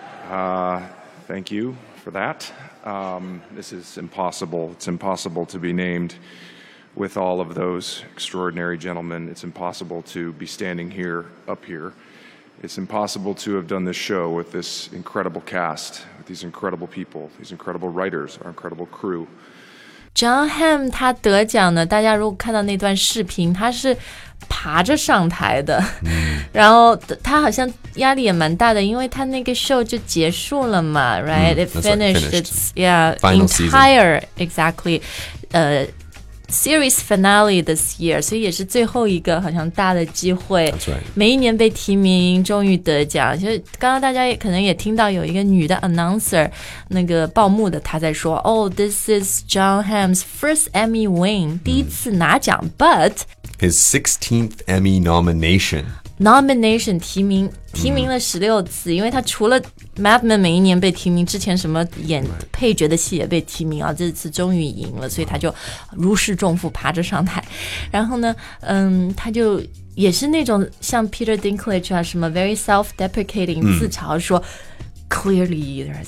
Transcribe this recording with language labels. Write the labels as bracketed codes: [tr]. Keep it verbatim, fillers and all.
[en] Uh, thank you for that. Um, this is impossible. It's impossible to be named with all of those extraordinary gentlemen. It's impossible to be standing here, up here. It's impossible to have done this show with this incredible cast, with these incredible people, these incredible writers, our incredible crew. [zh] John Hamm 他得奖呢，大家如果看到那段视频，他是爬着上台的，然后他好像压力也蛮大的，因为他那个 show 就结束了嘛 ，right？ Mm, [en] It finished, right, its yeah Final entire season. [zh] Exactly， 呃、uh, ， [en] series finale this year， [zh] 所以也是最后一个好像大的机会。 [en] That's right. [zh] 每一年被提名，终于得奖。其实刚刚大家也可能也听到有一个女的 announcer。那个报幕的他在说 [en] Oh, this is John Hamm's first Emmy win、 [zh] 嗯、第一次拿奖 but [en] his sixteenth Emmy nomination [zh] nomination 提名提名了十六次、嗯、因为他除了 Madman 每一年被提名之前什么演配角的戏也被提名啊，这次终于赢了，所以他就如释重负爬着上台，然后呢嗯，他就也是那种像 Peter Dinklage 啊什么 [en] very self-deprecating、 [zh] 嗯、自嘲说 [en] clearly there's